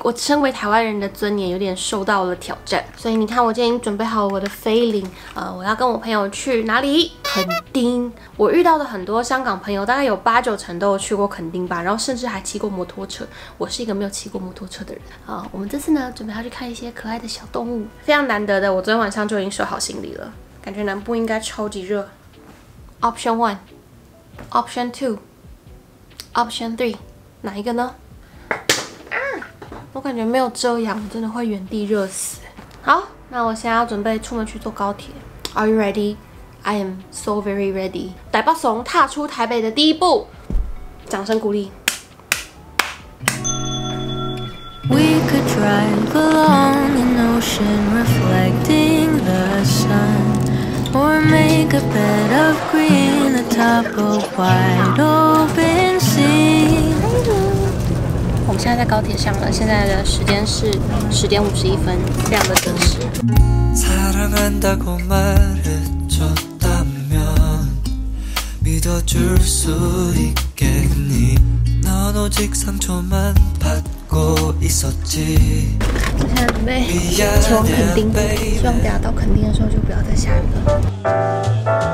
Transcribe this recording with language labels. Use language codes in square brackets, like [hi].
[zh] 我身为台湾人的尊严有点受到了挑战，所以你看我今天已经准备好我的飞灵，我要跟我朋友去哪里？垦丁。我遇到的很多香港朋友，大概有八九成都有去过垦丁吧，然后甚至还骑过摩托车。我是一个没有骑过摩托车的人。我们这次呢，准备要去看一些可爱的小动物，非常难得的。我昨天晚上就已经收好行李了，感觉南部应该超级热。 [en] Option 1, Option 2, Option 3, [zh] 哪一个呢？我感觉没有遮阳，真的会原地热死。好，那我现在要准备出门去坐高铁。 [en] Are you ready? I am so very ready. [zh] 台北怂踏出台北的第一步，掌声鼓励。 [en] We could drive along an ocean reflecting the sun. Or make a bed of green atop a wide open sea. [zh] 我们现在在高铁上了，现在的时间是10:51，非常的准时。 [ko] 사랑한다고말해줬다면믿어줄수있겠니넌오직상처만받고있었지 [zh] 前往垦丁，希望等下到垦丁的时候就不要再下雨了。